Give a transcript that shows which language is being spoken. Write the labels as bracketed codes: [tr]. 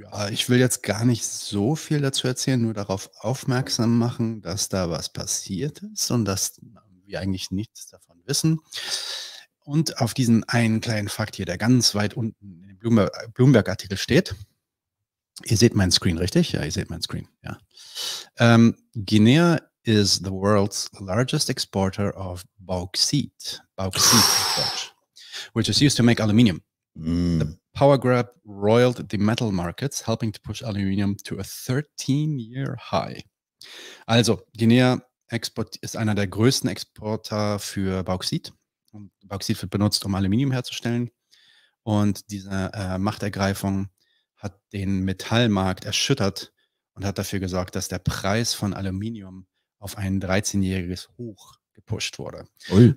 [de] Ich will jetzt gar nicht so viel dazu erzählen, nur darauf aufmerksam machen, dass da was passiert ist und dass wir eigentlich nichts davon wissen. Und auf diesen einen kleinen Fakt hier, der ganz weit unten in dem Bloomberg-Artikel steht. Ihr seht meinen Screen, richtig? Ja, ihr seht meinen Screen, ja. [en] Guinea is the world's largest exporter of bauxite. Bauxite, Deutsch, which is used to make aluminium. Power grab roiled the metal markets, helping to push aluminium to a 13-year high. [de] Also, Guinea ist einer der größten Exporter für Bauxit. Und Bauxit wird benutzt, um Aluminium herzustellen. Und diese Machtergreifung hat den Metallmarkt erschüttert und hat dafür gesorgt, dass der Preis von Aluminium auf ein 13-jähriges Hoch gepusht wurde. Ui.